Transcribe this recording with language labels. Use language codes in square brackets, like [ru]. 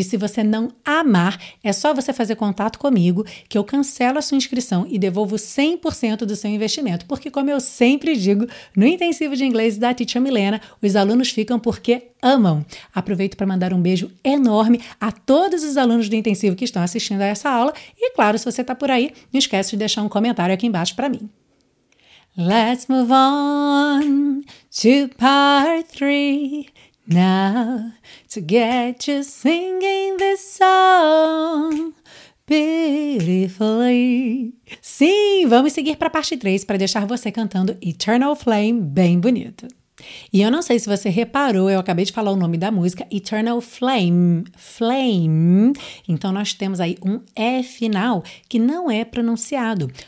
[pt] E se você não amar, é só você fazer contato comigo que eu cancelo a sua inscrição e devolvo 100% do seu investimento. Porque, como eu sempre digo, no Intensivo de Inglês da Teacher Milena, os alunos ficam porque amam. Aproveito para mandar um beijo enorme a todos os alunos do Intensivo que estão assistindo a essa aula. E, claro, se você está por aí, não esquece de deixar um comentário aqui embaixo para mim. [en] Let's move on to part 3 now to get you singing this song. Beautifully. [pt] Sim, vamos seguir para a parte 3 para deixar você cantando Eternal Flame bem bonito. E eu não sei se você reparou, eu acabei de falar o nome da música, Eternal Flame. Flame. Então nós temos aí um E final que não é pronunciado.